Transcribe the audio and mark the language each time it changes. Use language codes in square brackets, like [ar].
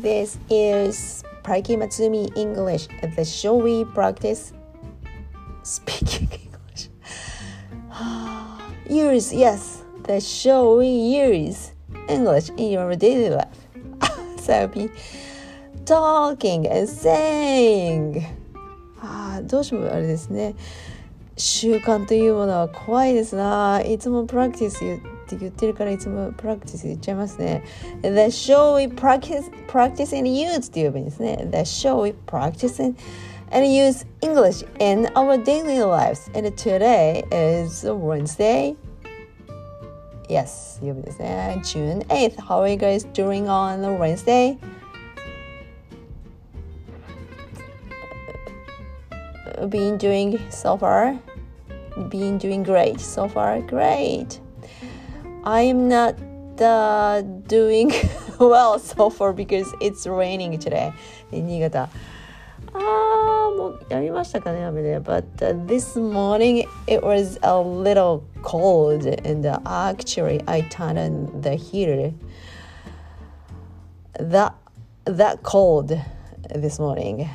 [en] This is Praiki Matsumi English, the show we practice speaking English. Use, yes, the show we use English in your daily life. So be talking and saying. [ja] どうしようあれですね。習慣というものは怖いですな。いつもプラクティス言ってるからいつもプラクティス言っちゃいますね。 [en] The show we practice and use [ja] って言えばいいですね。 [en] The show we practice and use English in our daily lives. And today is Wednesday. Yes, [ja] 曜日ですね。 [en] June 8th. How are you guys doing on Wednesday? Been doing so far, been doing great so far. Great, I'm not doing well so far because it's raining today in Niigata. [ja] もうやみましたかね、雨で。 [en] But this morning it was a little cold, and actually, I turned on the heater that cold this morning.